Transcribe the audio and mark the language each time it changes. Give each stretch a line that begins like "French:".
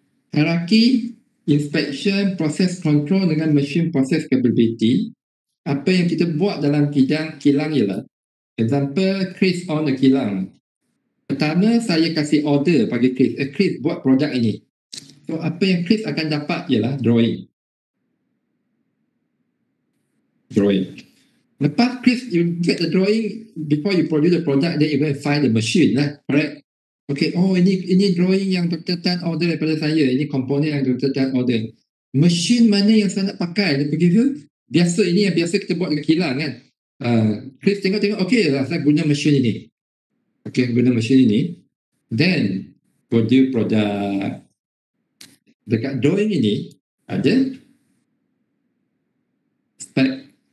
English: Hierarchy, inspection, process control dengan machine process capability.
Malay: Apa yang kita buat dalam kilang ialah, example, Chris on the kilang. Pertama, saya kasih order bagi Chris. Chris buat produk ini. So, apa yang Chris akan dapat ialah drawing.
English: Lepas Chris, you get the drawing before you produce the product, then you go and find the machine lah, correct?
Malay: Okay, oh ini drawing yang Dr. Tan order daripada saya, ini komponen yang Dr. Tan order. Machine mana yang saya nak pakai, dia pergi view. Biasa ini yang biasa kita buat dekat kilang kan. Chris tengok, okay lah saya guna machine ini. Okay, guna machine ini. Then, produce product. Dekat drawing ini, ada spec.